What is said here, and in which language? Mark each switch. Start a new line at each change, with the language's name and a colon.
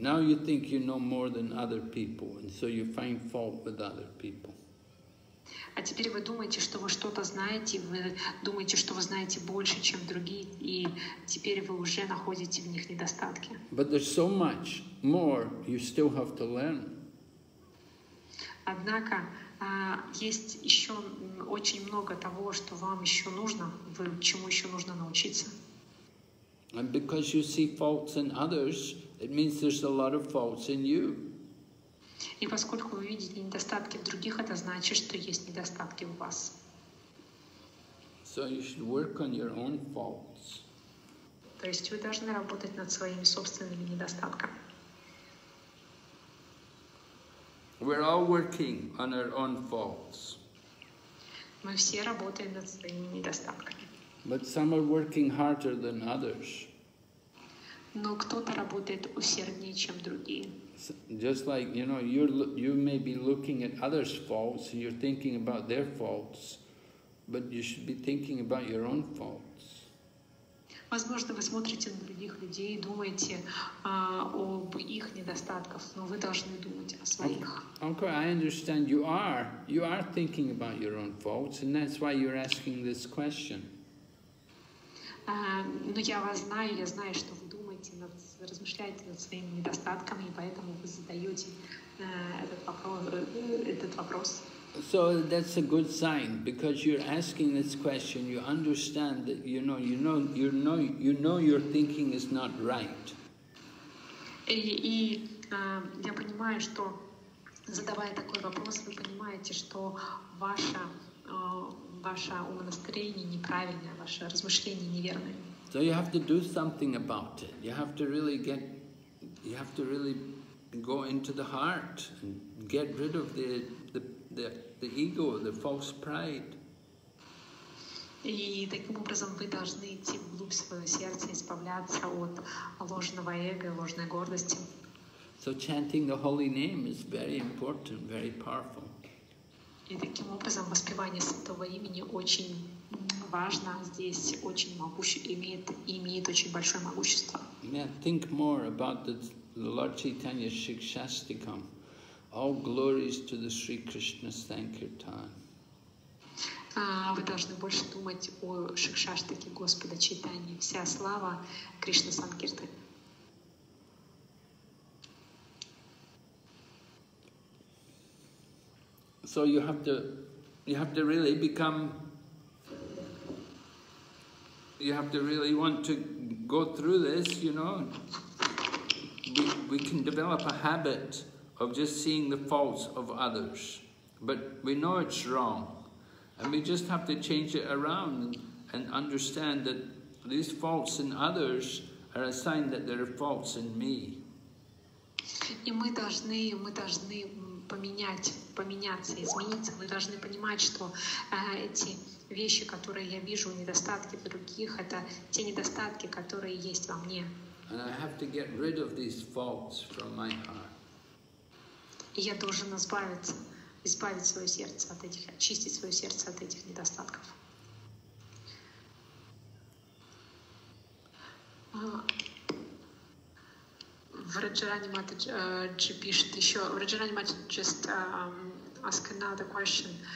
English: Now you think you know more than other people, and so you find fault with other people.
Russian: А теперь вы думаете, что вы что-то знаете, вы думаете, что вы знаете больше, чем другие, и теперь вы уже находите в них недостатки.
English: But there's so much more you still have to learn.
Russian: Однако есть еще очень много того, что вам еще нужно, чему еще нужно научиться.
English: And because you see faults in others, it means there's a lot of faults in you.
Russian: И поскольку вы видите недостатки в других, это значит, что есть недостатки у вас.
English: So you should work on your own faults.
Russian: То есть вы должны работать над своими собственными недостатками.
English: We're all working on our own faults.
Russian: Мы все работаем над своими недостатками.
English: But some are working harder than others.
Russian: Но кто-то работает усерднее, чем другие.
English: Just like, you know, you may be looking at others' faults, you're thinking about their faults, but you should be thinking about your own faults.
Russian: Возможно, вы смотрите на других людей и думаете об их недостатках, но вы должны думать о своих.
English: Okay, I understand. You are thinking about your own faults, and that's why you're asking this question.
Russian: Но я вас знаю, я знаю, что вы думаете, размышляете над своими недостатками, и поэтому вы задаете этот вопрос.
English: So that's a good sign, because you're asking this question, you understand that you know your thinking is not right.
Russian: И я понимаю, что задавая такой вопрос, вы понимаете, что ваше умонастроение неправильное, ваше размышление неверное.
English: So you have to do something about it. You have to really go into the heart and get rid of the ego, the false pride.
Russian: И таким образом вы должны идти вглубь своего сердца, избавляться от ложного эго, ложной гордости.
English: So chanting the holy name is very important, very powerful.
Russian: И таким образом воспевание святого имени очень важно здесь, очень имеет очень большое могущество.
English: Yeah, think more about the Lord Chaitanya Shikshastikam. All glories to the Sri Krishna Sankirtan.
Russian: Вы должны больше думать о Шикшаштике Господа Чайтаньи. Вся слава Кришна Санкиртане.
English: So you have to really want to go through this, you know. We can develop a habit of just seeing the faults of others, but we know it's wrong, and we just have to change it around and understand that these faults in others are a sign that there are faults in me.
Russian: И мы должны поменяться, измениться. Мы должны понимать, что эти вещи, которые я вижу, недостатки других, это те недостатки, которые есть во мне.
English: And I have to get rid of these faults from my heart.
Russian: И я должен избавить свое сердце от этих, очистить свое сердце от этих недостатков.
English: Vrajarani Mataji just ask another question.